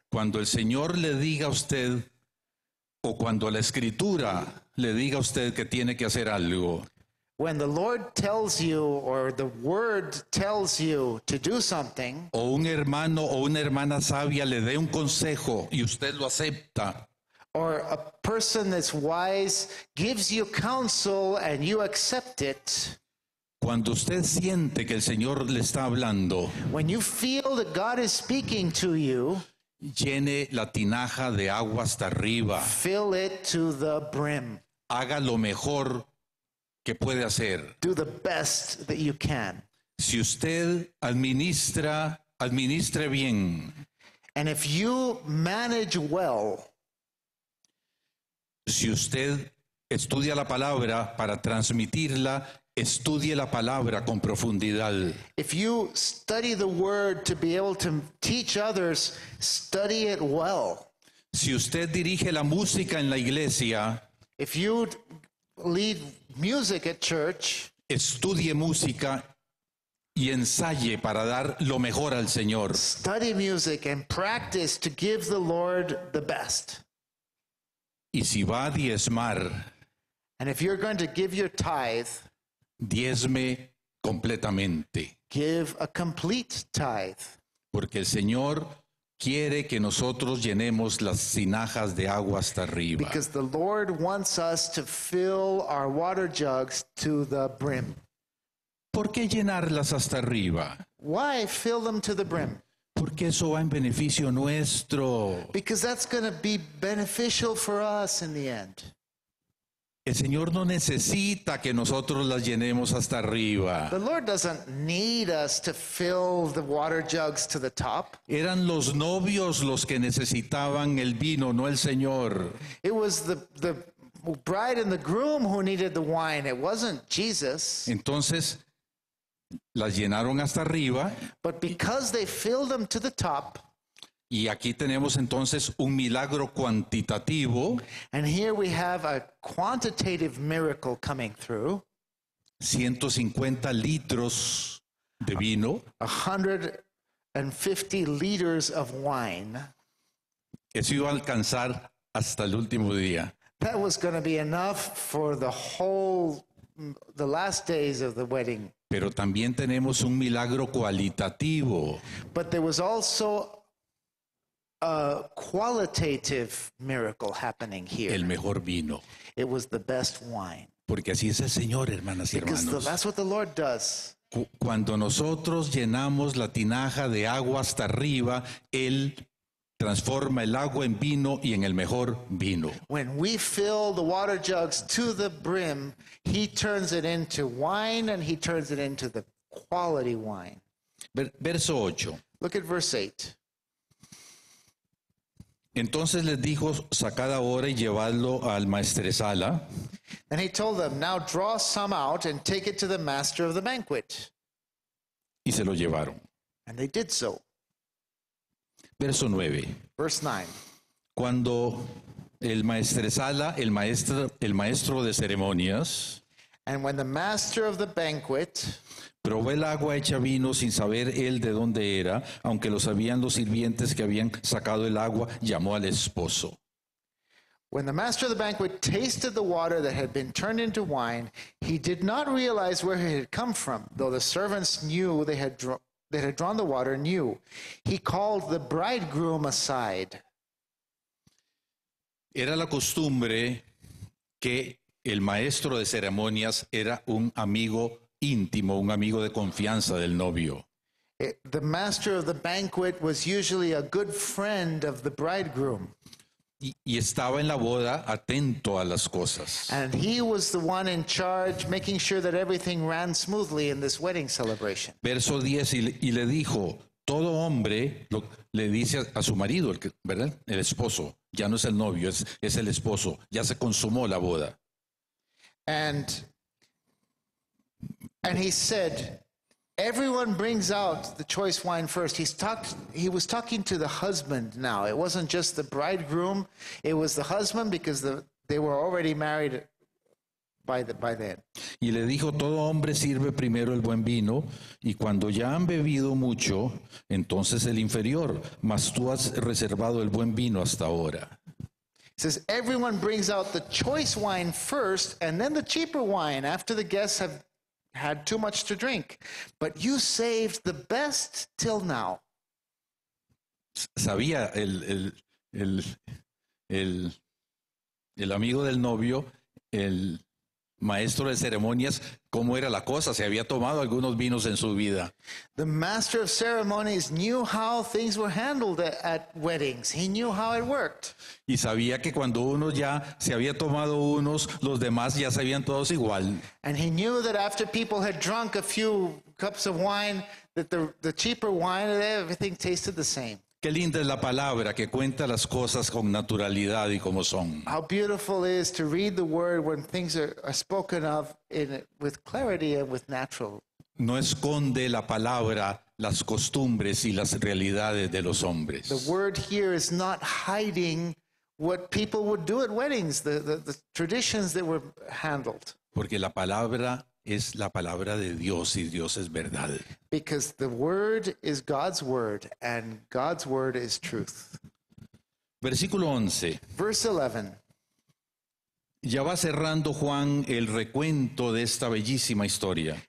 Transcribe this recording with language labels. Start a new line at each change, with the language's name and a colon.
Spanish: Cuando el Señor le diga a usted, o cuando la Escritura le diga a usted que tiene que hacer algo,
English: when the Lord tells you, or the Word tells you to do something,
Spanish: o un hermano o una hermana sabia le dé un consejo y usted lo acepta,
English: or a person that's wise gives you counsel and you accept it,
Spanish: cuando usted siente que el Señor le está hablando,
English: when you feel that God is speaking to you,
Spanish: llene la tinaja de agua hasta arriba.
English: Fill it to the brim.
Spanish: Haga lo mejor que puede hacer.
English: Do the best that you can.
Spanish: Si usted administre bien.
English: And if you manage well.
Spanish: Si usted estudia la palabra para transmitirla, estudie la palabra con profundidad.
English: If you study the word to be able to teach others, study it well.
Spanish: Si usted dirige la música en la iglesia,
English: if you lead music at church,
Spanish: estudie música y ensaye para dar lo mejor al Señor.
English: Study music and practice to give the Lord the best.
Spanish: Y si va a diezmar,
English: and if you're going to give your tithe,
Spanish: diezme completamente.
English: Give a complete tithe.
Spanish: Porque el Señor, quiere que nosotros llenemos las tinajas de agua hasta arriba.
English: Because the Lord wants us to fill our water jugs to the brim.
Spanish: ¿Por qué llenarlas hasta arriba?
English: Why fill them to the brim?
Spanish: Porque eso va en beneficio nuestro.
English: Because that's going to be beneficial for us in the end.
Spanish: El Señor no necesita que nosotros las llenemos hasta arriba.
English: The Lord doesn't need us to fill the water jugs to the top.
Spanish: Eran los novios los que necesitaban el vino, no el Señor.
English: It was the bride and the groom who needed the wine. It wasn't Jesus.
Spanish: Entonces, las llenaron hasta arriba.
English: But because they filled them to the top.
Spanish: Y aquí tenemos entonces un milagro cuantitativo.
English: And here we have a quantitative miracle coming through.
Spanish: 150 litros de vino.
English: 150 liters of wine.
Spanish: Eso iba a alcanzar hasta el último día.
English: That was going to be enough for the last days of the wedding.
Spanish: Pero también tenemos un milagro cualitativo.
English: But there was also a qualitative miracle happening here.
Spanish: El mejor vino.
English: It was the best wine.
Spanish: Porque así es el Señor, hermanas y hermanos.
English: Because that's what the Lord does.
Spanish: Cuando nosotros llenamos la tinaja de agua hasta arriba, Él transforma el agua en vino y en el mejor vino.
English: When we fill the water jugs to the brim, He turns it into wine and He turns it into the quality wine.
Spanish: Verso 8.
English: Look at verse 8.
Spanish: Entonces les dijo, sacad ahora y llevadlo al maestresala.
English: And he told them, now draw some out and take it to the master of the banquet.
Spanish: Y se lo llevaron.
English: And they did so.
Spanish: Verso 9.
English: Verse 9.
Spanish: Cuando el maestresala, el maestro de ceremonias.
English: And when the master of the banquet.
Spanish: Probó el agua hecha vino sin saber él de dónde era, aunque lo sabían los sirvientes que habían sacado el agua, llamó al esposo.
English: When the master of the banquet tasted the water that had been turned into wine, he did not realize where it had come from, though the servants knew that had drawn the water knew. He called the bridegroom aside.
Spanish: Era la costumbre que el maestro de ceremonias era un amigo íntimo, un amigo de confianza del novio.
English: The master of the banquet was usually a good friend of the bridegroom.
Spanish: Y estaba en la boda atento a las cosas.
English: And he was the one in charge, making sure that everything ran smoothly in this wedding celebration.
Spanish: Verso 10, y le dijo, todo hombre, le dice a su marido, ¿verdad? El esposo, ya no es el novio, es el esposo, ya se consumó la boda.
English: And he said, everyone brings out the choice wine first. He was talking to the husband now. It wasn't just the bridegroom. It was the husband because they were already married by then.
Spanish: Y le dijo, todo hombre sirve primero el buen vino, y cuando ya han bebido mucho, entonces el inferior. Mas tú has reservado el buen vino hasta ahora.
English: He says, everyone brings out the choice wine first, and then the cheaper wine after the guests have had too much to drink, but you saved the best till now.
Spanish: Sabía el amigo del novio, el maestro de ceremonias, cómo era la cosa. Se había tomado algunos vinos en su vida.
English: The master of ceremonies knew how things were handled at weddings. He knew how it worked.
Spanish: Y sabía que cuando uno ya se había tomado unos, los demás ya se habían todos igual.
English: And he knew that after people had drunk a few cups of wine, that the cheaper wine, everything tasted the same.
Spanish: Qué linda es la palabra que cuenta las cosas con naturalidad y como son.
English: How beautiful it is to read the word when things are spoken of with clarity and with natural.
Spanish: No esconde la palabra las costumbres y las realidades de los hombres.
English: The word here is not hiding what people would do at weddings, the traditions that were handled.
Spanish: Porque la palabra es la palabra de Dios y Dios es verdad.
English: Because the word is God's word and God's word is truth.
Spanish: Versículo 11.
English: Verse 11.
Spanish: Ya va cerrando Juan el recuento de esta bellísima historia.